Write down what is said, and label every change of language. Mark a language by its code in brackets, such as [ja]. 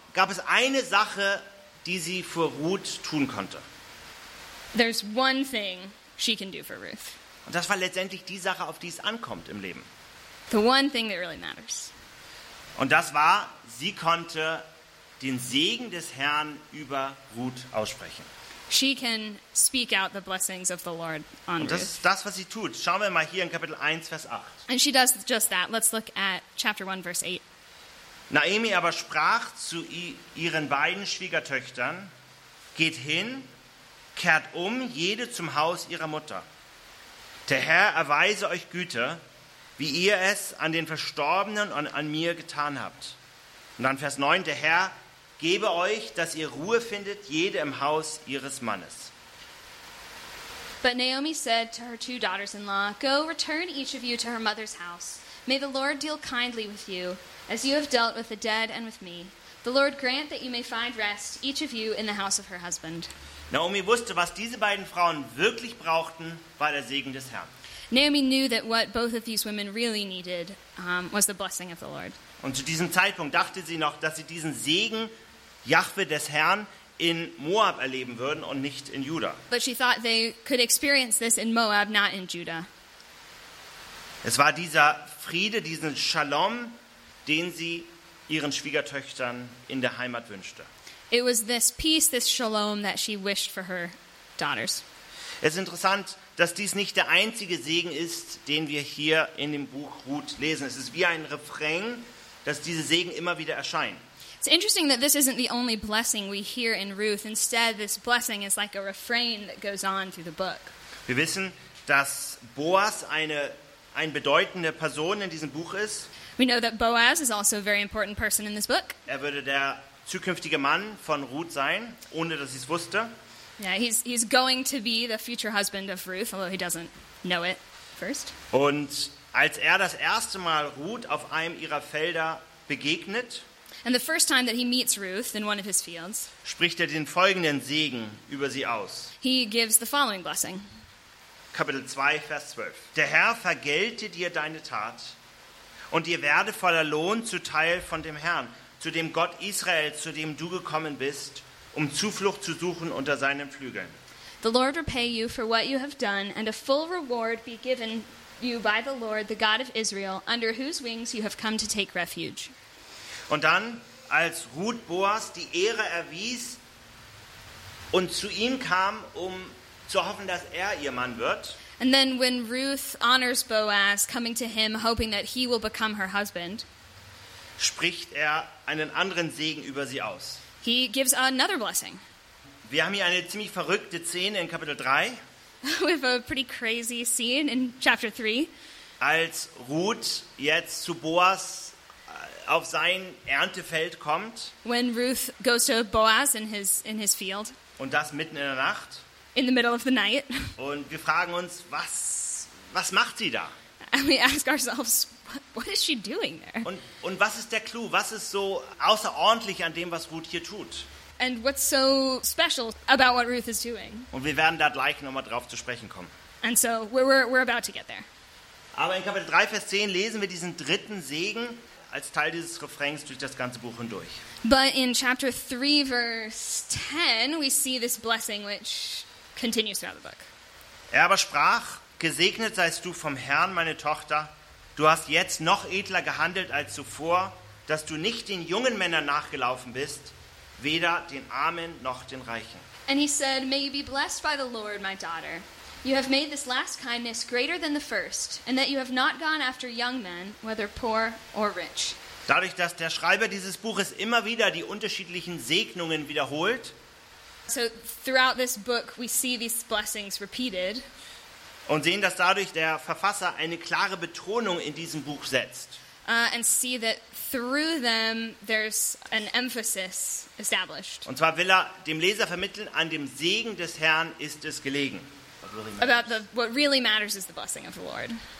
[de] gab es eine Sache, die sie für Ruth tun konnte. [en] There's one thing she can do for Ruth. [de] Und das war letztendlich die Sache, auf die es ankommt im Leben. [en] The one thing that really matters. [de] Und das war, sie konnte den Segen des Herrn über Ruth aussprechen. [en] She can speak out the blessings of the Lord on [de] Ruth. Das ist das, was sie tut. Schauen wir mal hier in Kapitel 1, Vers 8. [en] And she does just that. Let's look at chapter 1, verse 8. [de] Naomi aber sprach zu ihren beiden Schwiegertöchtern, geht hin, kehrt um, jede zum Haus ihrer Mutter. Der Herr erweise euch Güte, wie ihr es an den Verstorbenen und an mir getan habt. Und dann Vers 9, der Herr gebe euch, dass ihr Ruhe findet, jede im Haus ihres Mannes. [en] But Naomi said to her two daughters-in-law, go return each of you to her mother's house. May the Lord deal kindly with you, as you have dealt with the dead and with me. The Lord grant that you may find rest, each of you, in the house of her husband. [de] Naomi wusste, was diese beiden Frauen wirklich brauchten, war der Segen des Herrn. [en] Naomi knew that what both of these women really needed was the blessing of the Lord. [de] Und zu diesem Zeitpunkt dachte sie noch, dass sie diesen Segen Jahwe des Herrn in Moab erleben würden und nicht in Juda. [en] But she thought they could experience this in Moab, not in Judah. [de] Es war dieser Friede, diesen Shalom, den sie ihren Schwiegertöchtern in der Heimat wünschte. [en] It was this peace, this shalom that she wished for her daughters. [de] Es ist interessant, dass dies nicht der einzige Segen ist, den wir hier in dem Buch Ruth lesen. Es ist wie ein Refrain, dass diese Segen immer wieder erscheinen. [en] It's interesting that this isn't the only blessing we hear in Ruth. Instead, this blessing is like a refrain that goes on through the book. [de] Wir wissen, dass Boas eine bedeutende Person in diesem Buch ist. [en] We know that Boaz is also a very important person in this book. [de] Er würde der zukünftige Mann von Ruth sein, ohne dass sie es wusste. [en] Yeah, he's going to be the future husband of Ruth, although he doesn't know it first. [de] Und als er das erste Mal Ruth auf einem ihrer Felder begegnet, [en] and the first time that he meets Ruth in one of his fields, [de] spricht er den folgenden Segen über sie aus. [en] He gives the following blessing. [de] Kapitel 2, Vers 12. Der Herr vergelte dir deine Tat, und dir werde voller Lohn zuteil von dem Herrn, zu dem Gott Israel, zu dem du gekommen bist, um Zuflucht zu suchen unter seinen Flügeln. [en] The Lord repay you for what you have done, and a full reward be given you by the Lord, the God of Israel, under whose wings you have come to take refuge. [de] Und dann, als Ruth Boas die Ehre erwies und zu ihm kam, um zu hoffen, dass er ihr Mann wird. [en] And then when Ruth honors Boaz, coming to him, hoping that he will become her husband, [de] spricht er einen anderen Segen über sie aus. [en] He gives another blessing. [de] Wir haben hier eine ziemlich verrückte Szene in Kapitel 3. [en] We have a pretty crazy scene in chapter 3. [de] Als Ruth jetzt zu Boaz auf sein Erntefeld kommt. [en] When Ruth goes to Boaz in his field. [de] Und das mitten in der Nacht. [en] In the middle of the night. [de] Und wir fragen uns, was macht sie da? [en] And we ask ourselves, what is she doing there? [de] Und was ist der Clou? Was ist so außerordentlich an dem, was Ruth hier tut? [en] And what's so special about what Ruth is doing? [de] Und wir werden da gleich nochmal drauf zu sprechen kommen. [en] And so we're about to get there. [de] Aber in Kapitel 3, Vers 10 lesen wir diesen dritten Segen als Teil dieses Refrains durch das ganze Buch hindurch. [en] But in chapter 3, verse 10, we see this blessing which continues throughout the book. [de] Er aber sprach, gesegnet seist du vom Herrn, meine Tochter. Du hast jetzt noch edler gehandelt als zuvor, dass du nicht den jungen Männern nachgelaufen bist, weder den Armen noch den Reichen. [en] And he said, may you be blessed by the Lord, my daughter. You have made this last kindness greater than the first, and that you have not gone after young men, whether poor or rich. [de] Dadurch, dass der Schreiber dieses Buches immer wieder die unterschiedlichen Segnungen wiederholt, [en] so throughout this book we see these blessings repeated. [de] Und sehen, dass dadurch der Verfasser eine klare Betonung in diesem Buch setzt. [en] And see that through them there's an emphasis established. [de] Und zwar will er dem Leser vermitteln, an dem Segen des Herrn ist es gelegen. [en] What really matters is the blessing of the Lord.